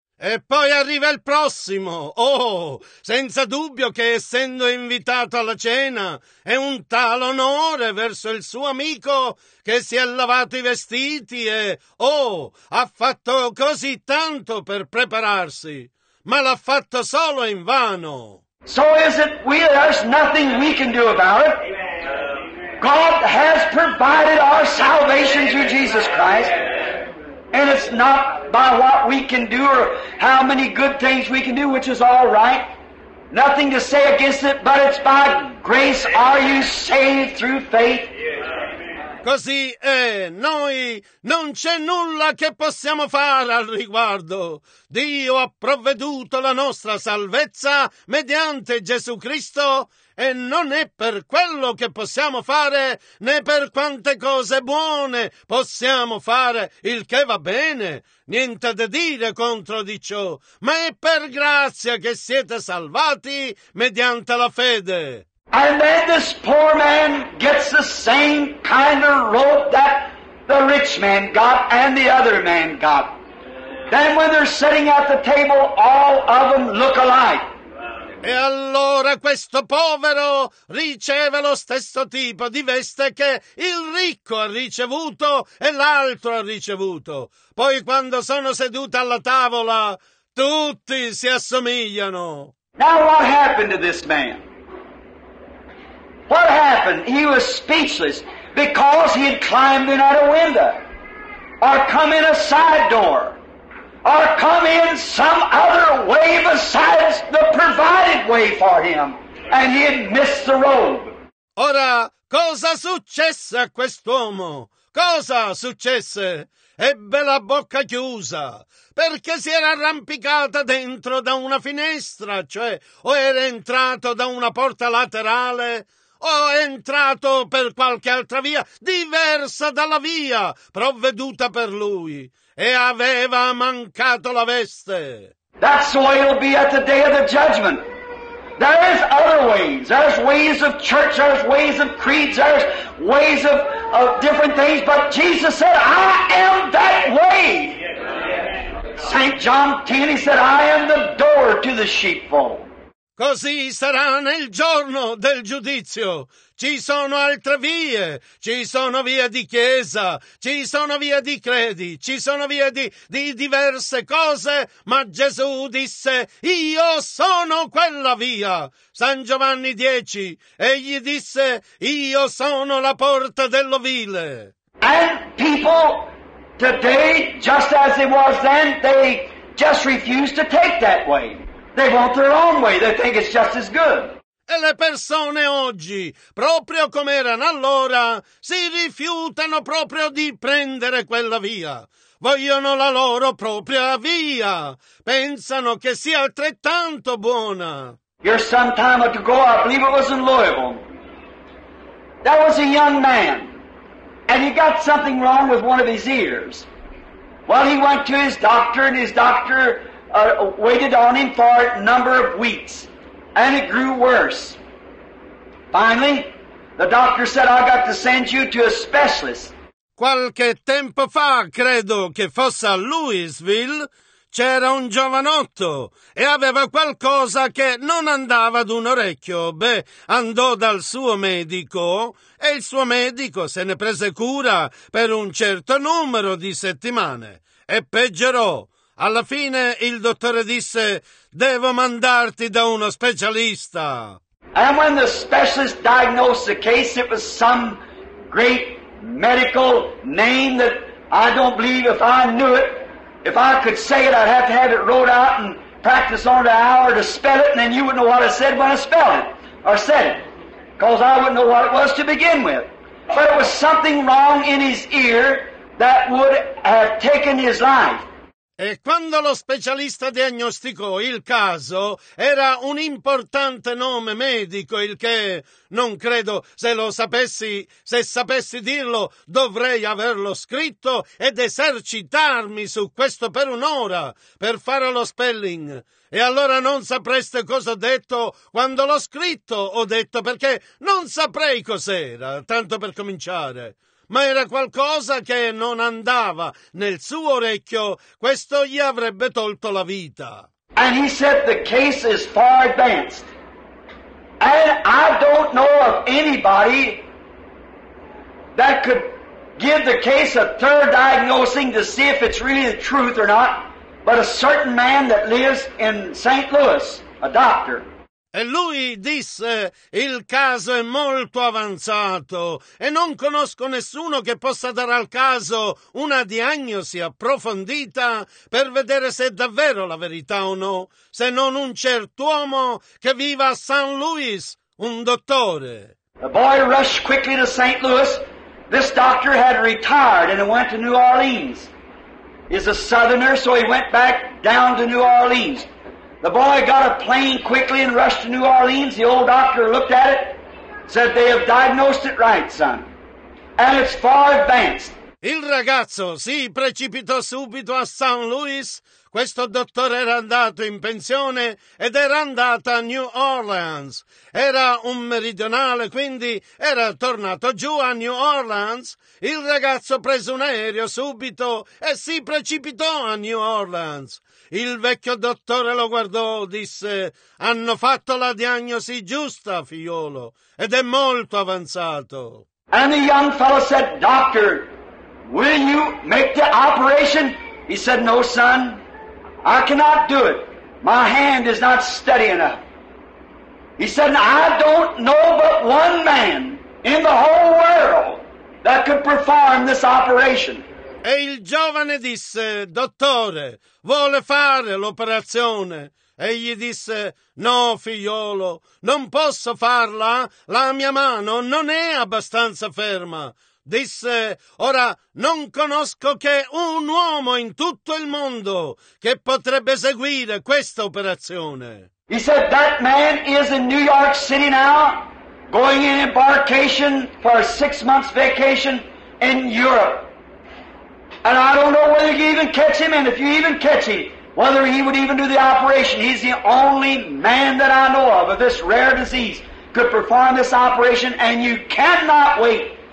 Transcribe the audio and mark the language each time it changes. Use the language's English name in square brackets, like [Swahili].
[Italian] E poi arriva il prossimo. Oh, senza dubbio che essendo invitato alla cena è un tal onore verso il suo amico che si è lavato i vestiti e, oh, ha fatto così tanto per prepararsi, ma l'ha fatto solo invano. [English] So is it we, there's nothing we can do about it. God has provided our salvation through Jesus Christ. And it's not by what we can do or how many good things we can do, which is all right. Nothing to say against it, but it's by grace are you saved through faith. [Italian] Così è, noi non c'è nulla che possiamo fare al riguardo. Dio ha provveduto la nostra salvezza mediante Gesù Cristo e non è per quello che possiamo fare né per quante cose buone possiamo fare, il che va bene, niente da dire contro di ciò, ma è per grazia che siete salvati mediante la fede. [English] And then this poor man gets the same kind of rope that the rich man got and the other man got. Then when they're sitting at the table, all of them look alike. [Italian] E allora questo povero riceve lo stesso tipo di veste che il ricco ha ricevuto e l'altro ha ricevuto. Poi quando sono seduti alla tavola, tutti si assomigliano. [English] Now what happened to this man? What happened? He was speechless because he had climbed in at a window, or come in a side door, or come in some other way besides the provided way for him, and he had missed the robe. [Italian] Ora, cosa successe a quest'uomo? Cosa successe? Ebbe la bocca chiusa perché si era arrampicata dentro da una finestra, cioè o era entrato da una porta laterale. O è entrato per qualche altra via diversa dalla via provveduta per lui e aveva mancato la veste. [English] That's the way it'll be at the day of the judgment. There is other ways. There's ways of church, there's ways of creeds, there's ways of different things, but Jesus said, I am that way. St. John 10, he said, I am the door to the sheepfold. [Italian] Così sarà nel giorno del giudizio. Ci sono altre vie, ci sono vie di chiesa, ci sono vie di credi, ci sono vie di diverse cose, ma Gesù disse, io sono quella via. San Giovanni 10, egli disse, io sono la porta dell'ovile. [English] And people today, just as it was then, they just refuse to take that way. They want their own way. They think it's just as good. [Italian] E le persone oggi, proprio come erano allora, si rifiutano proprio di prendere quella via. Vogliono la loro propria via. Pensano che sia altrettanto buona. [English] Here some time ago, I believe it was in Louisville. There was a young man, and he got something wrong with one of his ears. Well, he went to his doctor, and his doctor waited on him for a number of weeks, and it grew worse. Finally, the doctor said, I got to send you to a specialist. [Italian] Qualche tempo fa, credo che fosse a Louisville, c'era un giovanotto e aveva qualcosa che non andava ad un orecchio. Beh, andò dal suo medico e il suo medico se ne prese cura per un certo numero di settimane e peggiorò. Alla fine il dottore disse, devo mandarti da uno specialista. [English] And when the specialist diagnosed the case, it was some great medical name that I don't believe if I knew it, if I could say it, I'd have to have it wrote out and practice on it an hour to spell it, and then you wouldn't know what I said when I spelled it, or said it, because I wouldn't know what it was to begin with. But it was something wrong in his ear that would have taken his life. [Italian] E quando lo specialista diagnosticò il caso, era un importante nome medico, il che, non credo, se lo sapessi, se sapessi dirlo, dovrei averlo scritto ed esercitarmi su questo per un'ora, per fare lo spelling. E allora non sapreste cosa ho detto quando l'ho scritto, ho detto, perché non saprei cos'era, tanto per cominciare. ma era qualcosa che non andava nel suo orecchio, questo gli avrebbe tolto la vita. [English] And he said the case is far advanced. And I don't know of anybody that could give the case a third diagnosing to see if it's really the truth or not, but a certain man that lives in St. Louis, a doctor. [Italian] E lui disse, il caso è molto avanzato e non conosco nessuno che possa dare al caso una diagnosi approfondita per vedere se è davvero la verità o no, se non un certo uomo che viva a St. Louis, un dottore. [English] The boy rushed quickly to St. Louis. This doctor had retired and went to New Orleans. He's a southerner, so he went back down to New Orleans. The boy got a plane quickly and rushed to New Orleans. The old doctor looked at it, said, they have diagnosed it right, son. And it's far advanced. [Italian] Il ragazzo si precipitò subito a St. Louis. Questo dottore era andato in pensione ed era andato a New Orleans. Era un meridionale, quindi era tornato giù a New Orleans. Il ragazzo prese un aereo subito e si precipitò a New Orleans. Il vecchio dottore lo guardò e disse, hanno fatto la diagnosi giusta, figliolo, ed è molto avanzato. [English] And the young fellow said, doctor, will you make the operation? He said, no, son, I cannot do it. My hand is not steady enough. He said, I don't know but one man in the whole world that could perform this operation. [Italian] E il giovane disse, dottore, vuole fare l'operazione? E gli disse, no, figliolo, non posso farla, la mia mano non è abbastanza ferma. Disse, ora non conosco che un uomo in tutto il mondo che potrebbe eseguire questa operazione. [English] He said, that man is in New York City now, going in embarkation for a 6 months vacation in Europe. And I don't know whether you even catch him, and if you even catch him, whether he would even do the operation. He's the only man that I know of this rare disease could perform this operation, and you cannot wait.